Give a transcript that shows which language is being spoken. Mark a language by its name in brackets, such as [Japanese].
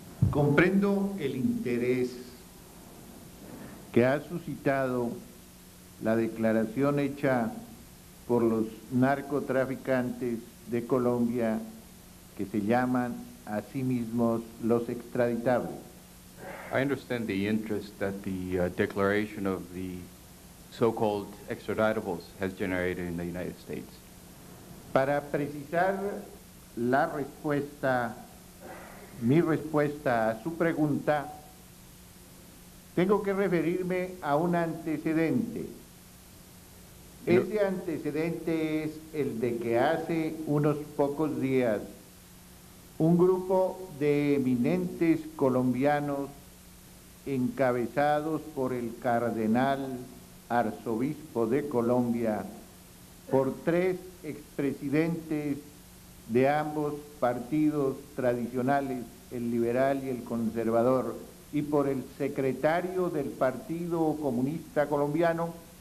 [Spanish] Comprendo el interés que ha suscitado la declaración hecha por los narcotraficantes de Colombia que se llaman a sí mismos los extraditables. [English] I understand the interest that the declaration of the so-called extraditables has generated in the United States. [Spanish] Para precisar la respuesta, mi respuesta a su pregunta, tengo que referirme a un antecedente. Ese antecedente es el de que hace unos pocos días un grupo de eminentes colombianos encabezados por el cardenal arzobispo de Colombia, por tres expresidentes de ambos partidos tradicionales, el liberal y el conservador, y por el secretario del Partido Comunista Colombiano,